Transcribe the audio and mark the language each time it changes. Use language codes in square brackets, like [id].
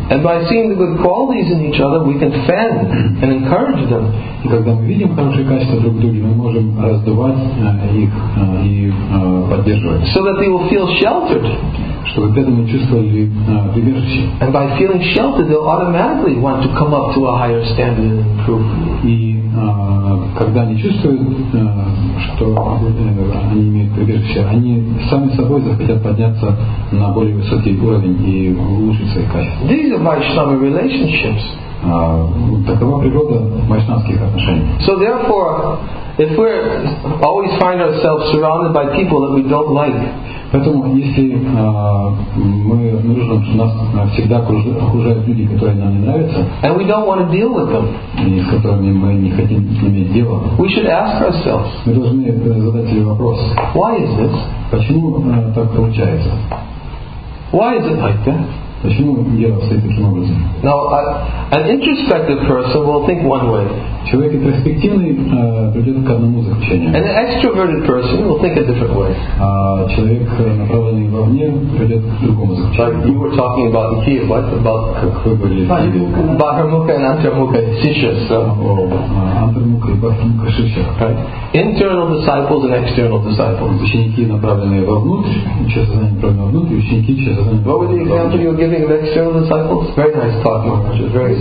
[en] And by seeing the good qualities in each other, we can fan and encourage them. [ru] И когда мы видим хорошие качества друг друга, мы можем раздувать их и поддерживать. [en] So that they will feel sheltered. [ru] Чтобы преданные чувствовали прибежище. [en] And by feeling sheltered, they'll automatically want to come up to a higher standard and improve. [ru] И когда они чувствуют, что они имеют прибежище, они сами собой захотят подняться на более высокий уровень и улучшить свои качества. [en] These are Vaishnava relationships. [ru] Такова природа вайшнавских отношений. [en] So therefore, if we always find ourselves surrounded by people that we don't like, [ru] поэтому если мы нужно, что нас всегда окружают люди, которые нам не нравятся, [en] and we don't want to deal with them, [ru] и с которыми мы не хотим иметь дело, [en] we should ask ourselves, [ru] мы должны задать себе вопрос, [en] why is this? [ru] Почему так получается? [en] Why is it like that? [ru] Почему дело стоит таким образом? [en] Now, an introspective person will think one way. [ru] Человек интроспективный придет к одному заключению. [en] An extroverted person will think a different way. [ru] А человек направленный вовне придет к другому заключению. [en] Like you were talking about the key, what about Bahirmukha and Antarmukha Shishya? [ru] Antarmukha и Bahirmukha Shishya. [en] Internal disciples and external disciples. [ru] Ученики направленные вовнутрь, чье сознание направлено вовнутрь, ученики чье сознание. [en] What would the example you give? Giving external disciples, very nice talk, which is very